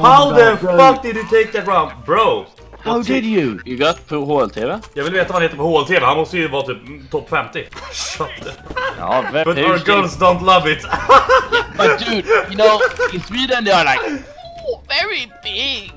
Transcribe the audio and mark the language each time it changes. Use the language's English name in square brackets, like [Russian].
[English] How the fuck did you take that round? Bro! How did you? You got på HLTV? [Swedish] Jag vill veta vad han heter på HLTV. Han måste ju vara typ topp 50. [English] Shut up. [Swedish] Ja, vem, [English] but our girls don't love it. But dude, you know, in Sweden they are like, oh, very big.